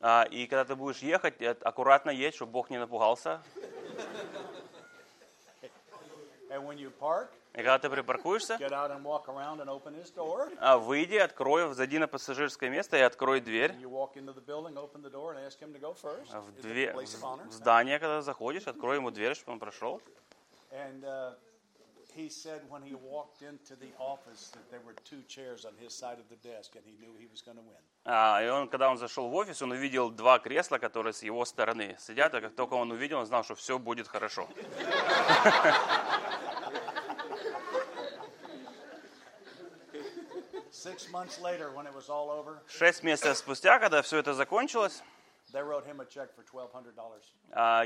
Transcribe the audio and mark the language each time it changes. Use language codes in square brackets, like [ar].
[ru] И когда ты будешь ехать, аккуратно едь, чтобы Бог не напугался. [en] And when you park, [ru] и когда ты припаркуешься, [en] get out and walk around and open his door. [ru] Выйди, открой, зайди на пассажирское место и открой дверь. [en] And you walk into the building, open the door and ask him to go first. [ru] В здание, когда заходишь, открой ему дверь, чтобы он прошел. [en] And he said when he walked into the office that there were two chairs on his side of the desk and he knew he was going to win. [ru] И он, когда он зашел в офис, он увидел два кресла, которые с его стороны сидят, и как только он увидел, он знал, что все будет хорошо. [en] Six months later, when it was all over, [ru] 6 месяцев спустя, когда все это закончилось, [en] they wrote him a check for $1,200.